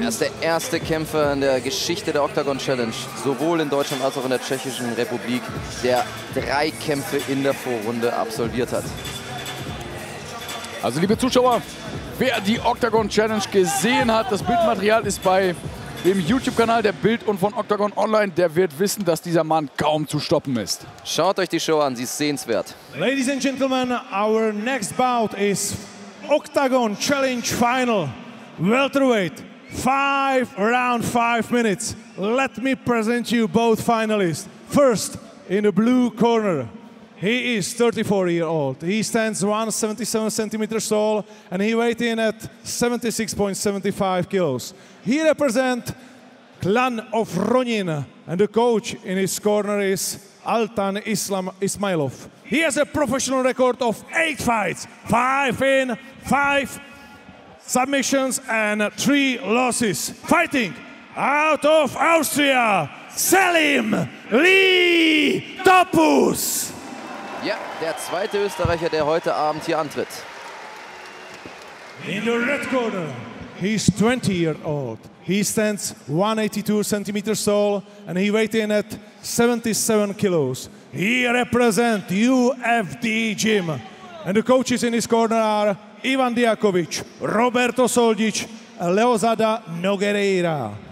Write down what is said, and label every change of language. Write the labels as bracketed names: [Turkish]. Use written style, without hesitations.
[German] Er ist der erste Kämpfer in der Geschichte der Octagon Challenge, sowohl in Deutschland als auch in der Tschechischen Republik, der drei Kämpfe in der Vorrunde absolviert hat. Also liebe Zuschauer, wer die Octagon Challenge gesehen hat, das Bildmaterial ist bei dem YouTube-Kanal der Bild und von Octagon Online, der wird wissen, dass dieser Mann kaum zu stoppen ist. Schaut euch die Show an, sie ist sehenswert. [English] Ladies and Gentlemen, our next bout is Octagon Challenge Final, Welterweight, 5 rounds, 5 minutes. Let me present you both finalists. First, in the blue corner, he is 34 years old. He stands 177 centimeters tall and he weighs in at 76.75 kilos. He represents Clan of Ronin and the coach in his corner is Altan Islam Ismailov. He has a professional record of 8 fights, 5 in, 5 submissions and 3 losses. Fighting out of Austria, Selim Lee Topus. [German] Ja, der zweite Österreicher, der heute Abend hier antritt. [English] In the red corner, he's 20 years old. He stands 182 centimeters tall and he weighs in at 77 kilos. He represents UFD gym. And the coaches in his corner are Ivan Diakovic, Roberto Soldic, Leozada Nogueira.